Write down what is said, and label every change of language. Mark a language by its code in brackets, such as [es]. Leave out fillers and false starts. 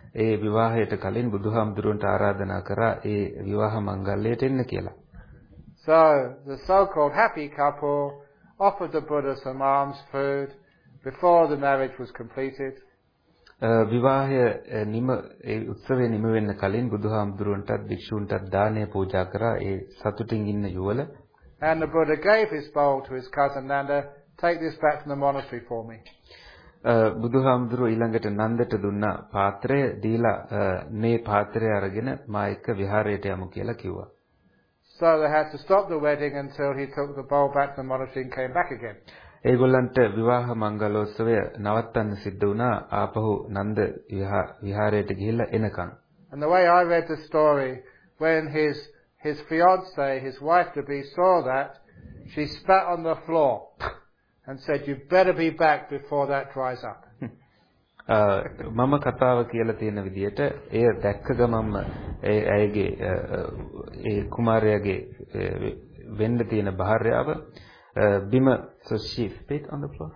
[si] ඒ විවාහයට කලින් බුදුහාමුදුරන්ට ආරාධනා කරා ඒ විවාහ මංගල්‍යයට එන්න කියලා. [en] So the so-called happy couple offered the Buddha some alms food before the marriage was completed. [si] විවාහය නිම ඒ උත්සවය නිම වෙන්න කලින් බුදුහාමුදුරන්ටත් භික්ෂූන්ටත් දානය පූජා කරා ඒ සතුටින් ඉන්න යුවළ. [en] And the Buddha gave his bowl to his cousin Nanda. Take this back from the monastery for me. [si] බුදුහාමුදුරුවෝ ඊළඟට නන්දට දුන්න පාත්‍රය දීලා මේ පාත්‍රය අරගෙන මා එක්ක විහාරයට යමු කියලා කිව්වා. [en] So they had to stop the wedding until he took the bowl back to the monastery and came back again. [si] ඒගොල්ලන්ට විවාහ මංගලෝත්සවය නවත්තන්න සිද්ධ වුණා ආපහු නන්ද විහාරයට ගිහිල්ලා එනකන්. [en] And the way I read the story, when his fiancée, his wife-to-be, saw that, she spat on the floor and said, "You better be back before that dries up." [si] මම කතාව කියලා තියෙන විදිහට එය දැක්ක ගමන්ම ඒ ඇයිගේ ඒ කුමාරයාගේ වෙන්න තියෙන භාර්යාව බිම [en] so she spit on the floor.